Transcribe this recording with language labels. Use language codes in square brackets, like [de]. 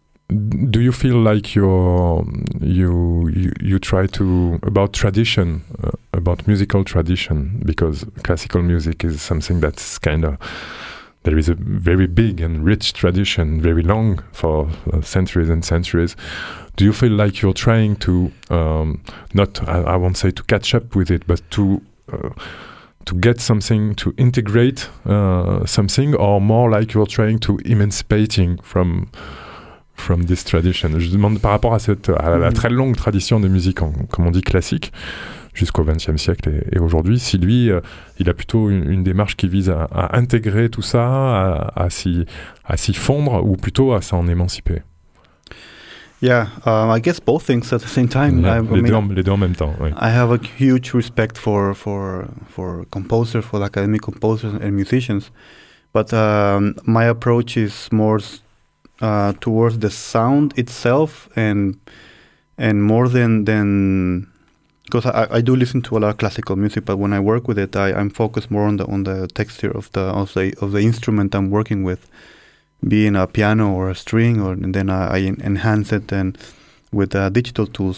[en] Do you feel like you try to about tradition, about musical tradition, because classical music is something that's kind of, there is a very big and rich tradition, very long, for centuries and centuries. Do you feel like you're trying to I won't say to catch up with it, but to get something, to integrate something, or more like you're trying to emancipating from this tradition? [fr] Je demande par rapport à cette à la très longue tradition de musique, comme on dit, classique, jusqu'au XXe siècle et aujourd'hui, si lui, il a plutôt une démarche qui vise à intégrer tout ça, à s'y fondre, ou plutôt à s'en émanciper. [en] Yeah, I guess both things at the same time. [fr] Les deux en même temps. Oui. [en] I have a huge respect for composers, for academic composers and musicians, but my approach is more towards the sound itself and more than because I do listen to a lot of classical music, but when I work with it, I'm focused more on the texture of the instrument I'm working with, being a piano or a string, and then I enhance it and with digital tools.